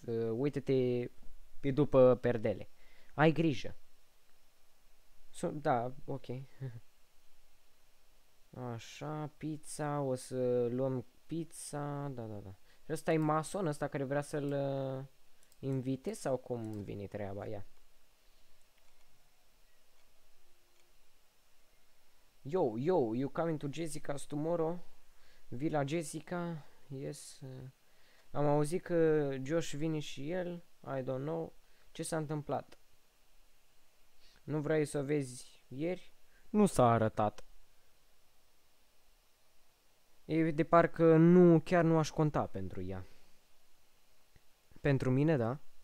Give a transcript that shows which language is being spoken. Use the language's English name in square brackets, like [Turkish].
[Romanian] Uită-te pe după perdele. Ai grijă. Da, ok. Așa, pizza, o să luăm pizza. Da. Și ăsta e Mason, ăsta care vrea să-l invite sau cum vine treaba ea? [English] Yo, you coming to Jessica's tomorrow? [Romanian] Vii la Jessica? Yes. Am auzit că Josh vine și el. [English] I don't know. [Romanian] Ce s-a întâmplat? Nu vrei să o vezi ieri? Nu s-a arătat. E de parcă nu, chiar nu aș conta pentru ea. Pentru mine, da.